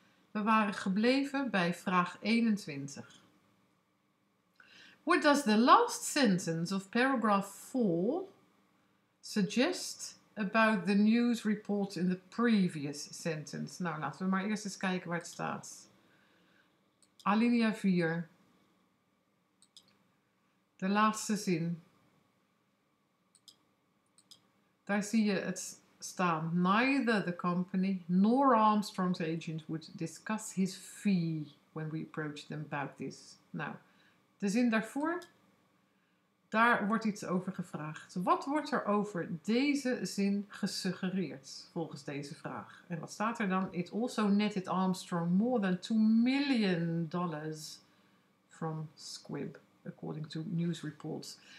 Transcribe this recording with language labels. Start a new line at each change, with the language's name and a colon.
Dutch: We waren gebleven bij vraag 21.
English: What does the last sentence of paragraph 4 suggest about the news report in the previous sentence?
Dutch: Nou, laten we maar eerst eens kijken waar het staat. Alinea 4. De laatste zin. Daar zie je het staan.
English: Neither the company nor Armstrong's agent would discuss his fee when we approached them about this.
Dutch: Nou, de zin daarvoor, daar wordt iets over gevraagd. Wat wordt er over deze zin gesuggereerd volgens deze vraag? En wat staat er dan?
English: It also netted Armstrong more than $2 million from Squibb, according to news reports.